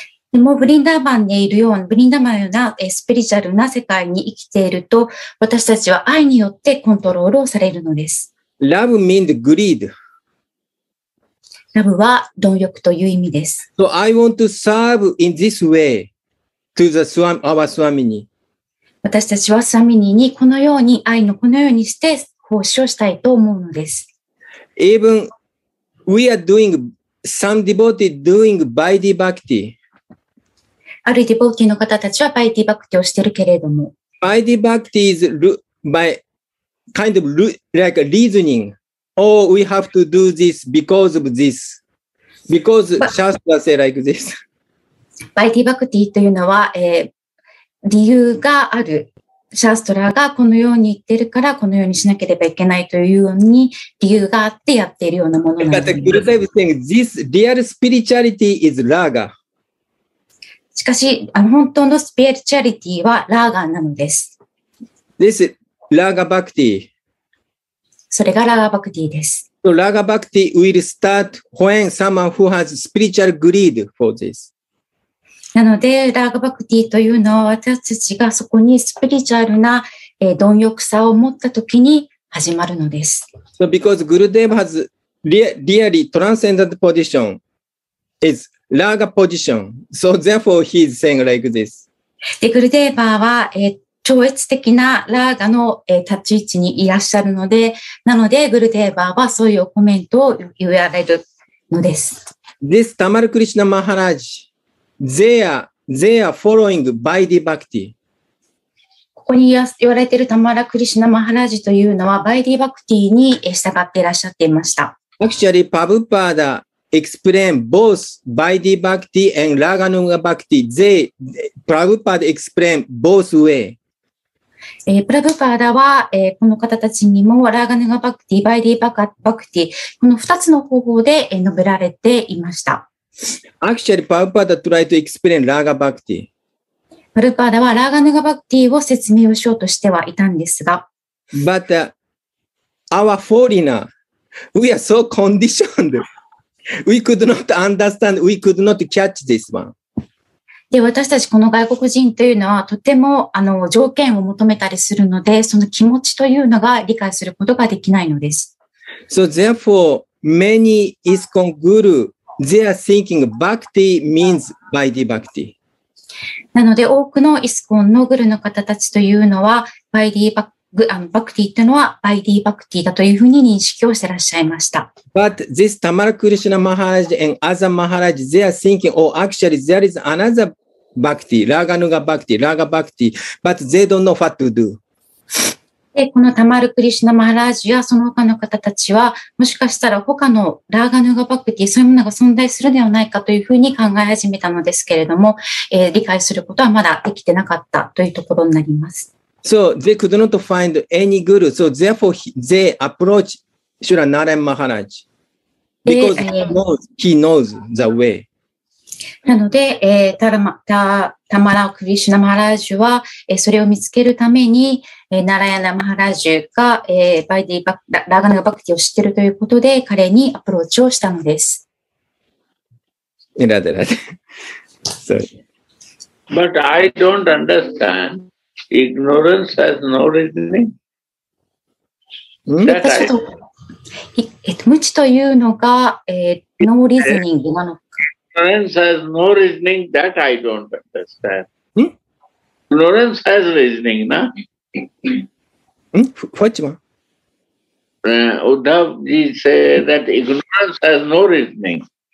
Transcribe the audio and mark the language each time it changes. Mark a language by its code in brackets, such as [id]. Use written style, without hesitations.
[ja] でもブリンダーバンにいるような、ブリンダーバンのようなスピリチュアルな世界に生きていると、私たちは愛によってコントロールをされるのです。 [en] Love means greed. [ja] Love は貪欲という意味です。 [en] So I want to serve in this way to the Swami, our Swamini. [ja] 私たちはスワミニにこのように、愛のこのようにして奉仕をしたいと思うのです。 [en] Even we are doing some devotees doing Vaidhi Bhakti. [ja] あるディボーティーの方たちはバイディバクティをしているけれども。 [en] バイディバクティ is by kind of like a reasoning. Oh, we have to do this because of this. Because Shastra say like this. [ja] バイディバクティというのは、理由がある。シャストラがこのように言ってるからこのようにしなければいけないというように理由があってやっているようなものなんです。 [en] But the Guru saying this real spirituality is Raga. [ja] しかし、あの本当のスピリチュアリティはラーガーなのです。 [en] This is Raga Bhakti. [ja] それがラーガーバクティです。 [en] So, Raga Bhakti will start when someone who has spiritual greed for this. [ja] なので、ラーガーバクティというのは私たちがそこにスピリチュアルな、貪欲さを持ったときに始まるのです。 [en] So, because Gurudev has really transcendent position is. [ja] ラーガポジション。 [en] So therefore he is saying like this. [ja] で、グルデーバーは、超越的なラーガの、立ち位置にいらっしゃるので、なので、グルデーバーはそういうコメントを言われるのです。 [en] This Tamal Krishna Maharaj, they are following Vaidhi Bhakti. [ja] ここに言われているTamal Krishna Maharajというのは、Vaidhi Bhaktiに従っていらっしゃっていました。 [en] Actually, Prabhupada,explain both Vaidhi Bhakti and Raganuga Bhakti. They, Prabhupada explain both way. [ja] Prabhupada は、この方たちにも Raganuga Bhakti, Vaidhi Bhakti, この二つの方法で、述べられていました。 [en] Actually, Prabhupada tried to explain Raga Bhakti. [ja] Prabhupada は Raganuga Bhakti を説明をしようとしてはいたんですが。 [en] But, our foreigner, we are so conditioned. We could not understand, we could not catch this one. [ja] で、私たちこの外国人というのはとても条件を求めたりするので、その気持ちというのが理解することができないのです。 [en] So therefore, many ISKCON guru, they are thinking bhakti means Vaidhi Bhakti. [ja] なので、多くの ISKCON のグルの方たちというのは、バクティというのはバイディバクティだというふうに認識をしてらっしゃいました。 [en] But this Tamal Krishna Maharaj and other Maharaj, they are thinking, oh, actually there is another Bhakti, Raganuga Bhakti, Raga Bhakti, but they don't know what to do. [ja] で、このTamal Krishna Maharajやその他の方たちは、もしかしたら他のRaganuga Bhakti、そういうものが存在するではないかというふうに考え始めたのですけれども、理解することはまだできてなかったというところになります。 [en] So they could not find any guru. So therefore, they approach Sri Narayan Maharaj. Because he knows the way. [ja] なので、タマラ・クリシュナ・マハラージュは、それを見つけるために、ナラヤナ・マハラージュが、バイディ・ラガナ・バクティを知っているということで、彼にアプローチをしたのです。ラデラデラデ。 [en] But I don't understand. Ignorance has no reasoning. That I... [ja] 無知というのが、 [en] ノーリズニング [ja] なのか。 [en] Ignorance has no reasoning, that I don't understand. Ignorance has reasoning, na? Which one? Uddhav ji say that ignorance has no reasoning.